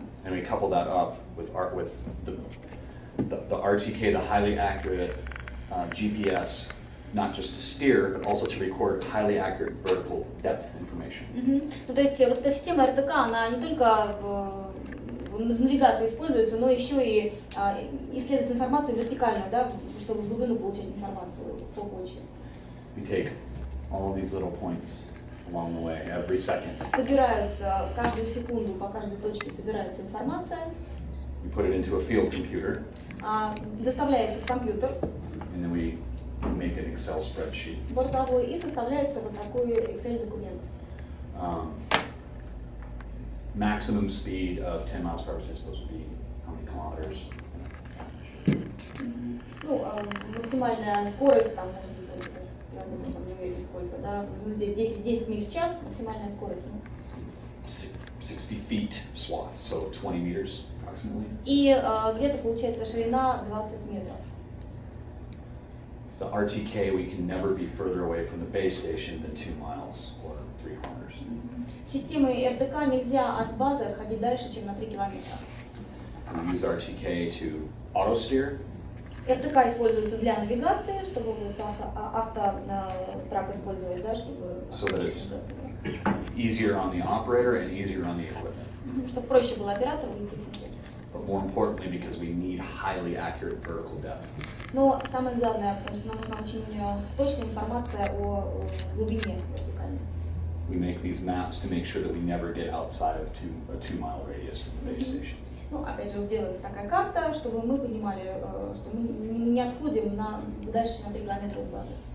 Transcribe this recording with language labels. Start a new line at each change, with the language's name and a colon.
English: And we couple that up with art with the RTK, the highly accurate GPS. Not just to steer, but also to record highly accurate vertical depth information. Mm-hmm.
Russian: Ну, то есть вот эта система РДК, она не только в навигации используется, но еще и исследует информацию вертикально, да, чтобы в глубину получать информацию по почве.
English: We take all of these little points along the way every second.
Russian: Собирается каждую секунду по каждой точке собирается информация.
English: We put it into a field computer.
Russian: Доставляется в компьютер.
English: And then we make an Excel spreadsheet.
Russian: Бортовой и составляется вот такой Excel документ.
English: Maximum speed of 10 miles per hour is supposed to be how many kilometers?
Russian: Ну, максимальная скорость там может быть сколько, да? Здесь 10 миль в час максимальная скорость.
English: 60 feet swath, so 20 meters approximately.
Russian: И где-то получается ширина 20 метров.
English: The RTK, we can never be further away from the base station than 2 miles or 3 kilometers.
Russian: Системы РДК нельзя от базы отходить дальше, чем на 3 километра.
English: We use RTK to auto steer.
Russian: РДК используется для навигации, чтобы автотрак использовать, да, чтобы.
English: So that it's easier on the operator and easier on the equipment.
Russian: Чтобы проще было оператору и технике.
English: But more importantly, because we need highly accurate vertical depth.
Russian: Но самое главное, потому что нам нужна очень точная информация о глубине вертикальной.
English: We make these maps to make sure that we never get outside of a two-mile radius from the base station.
Russian: Ну, опять же, делается такая карта, чтобы мы понимали, что мы не отходим дальше, чем на 3 километра от базы.